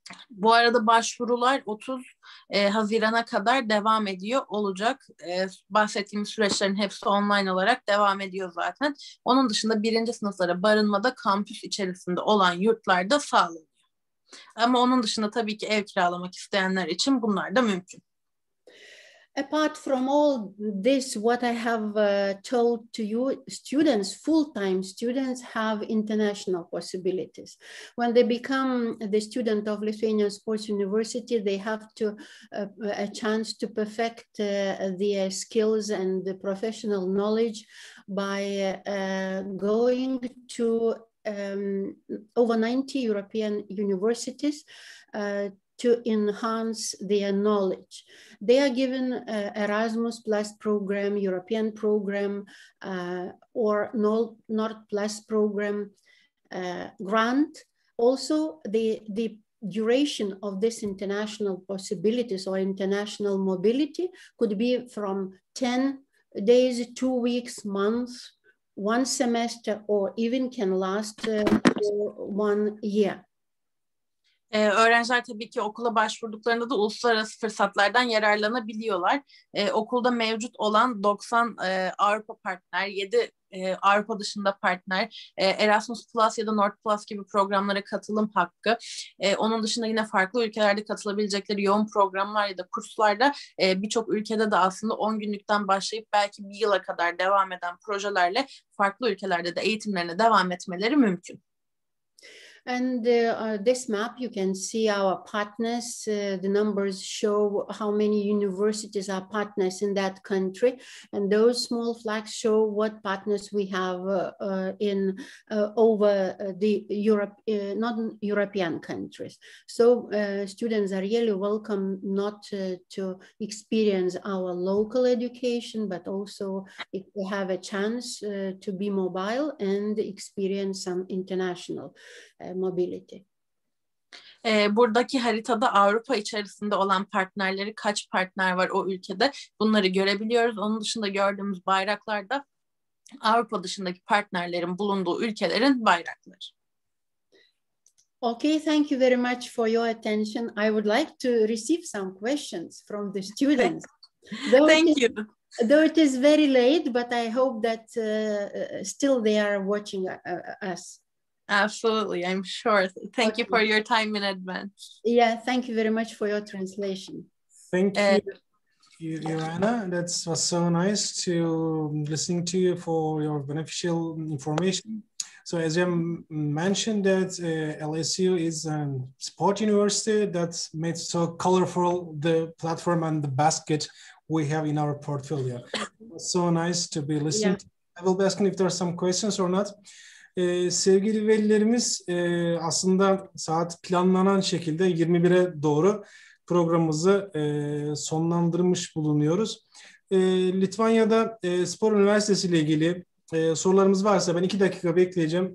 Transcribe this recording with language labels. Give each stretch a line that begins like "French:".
Turkish: Bu arada başvurular 30 Haziran'a kadar devam ediyor olacak. Bahsettiğimiz süreçlerin hepsi online olarak devam ediyor zaten. Onun dışında birinci sınıflara barınmada kampüs içerisinde olan yurtlar da sağlanıyor. Ama onun dışında tabii ki ev kiralamak isteyenler için bunlar da mümkün.
English: Apart from all this, what I have told to you, students, full-time students, have international possibilities. When they become the student of Lithuanian Sports University, they have to a chance to perfect their skills and the professional knowledge by going to over 90 European universities to enhance their knowledge. They are given Erasmus Plus program, European program, or Nord Plus program grant. Also, the duration of this international possibilities or international mobility could be from 10 days, 2 weeks, months, one semester, or even can last for 1 year.
Turkish: Öğrenciler tabii ki okula başvurduklarında da uluslararası fırsatlardan yararlanabiliyorlar. Okulda mevcut olan 90 Avrupa partner, 7 Avrupa dışında partner, Erasmus Plus ya da Nord Plus gibi programlara katılım hakkı. Onun dışında yine farklı ülkelerde katılabilecekleri yoğun programlar ya da kurslarda birçok ülkede de aslında 10 günlükten başlayıp belki bir yıla kadar devam eden projelerle farklı ülkelerde de eğitimlerine devam etmeleri mümkün.
English: And this map, you can see our partners. The numbers show how many universities are partners in that country. And those small flags show what partners we have in over the Europe, non-European countries. So students are really welcome not to experience our local education, but also if they have a chance to be mobile and experience some international mobility.
Turkish: Buradaki haritada Avrupa içerisinde olan partnerleri, kaç partner var o ülkede, bunları görebiliyoruz. Onun dışında gördüğümüz bayraklarda Avrupa dışındaki partnerlerin bulunduğu ülkelerin bayrakları.
English: Okay, thank you very much for your attention. I would like to receive some questions from the students. Thank you. Though it is very late, but I hope that still they are watching us. Absolutely, I'm sure. Thank you for your time in advance. Yeah, thank you very much for your translation. Thank you, Joanna. That was so nice to listening to you for your beneficial information. So as you mentioned that LSU is a sport university that made so colorful the platform and the basket we have in our portfolio. It was so nice to be listening. Yeah. I will be asking if there are some questions or not.
Turkish: Sevgili velilerimiz, aslında saat planlanan şekilde 21'e doğru programımızı sonlandırmış bulunuyoruz. Litvanya'da Spor Üniversitesi ile ilgili sorularımız varsa ben 2 dakika bekleyeceğim.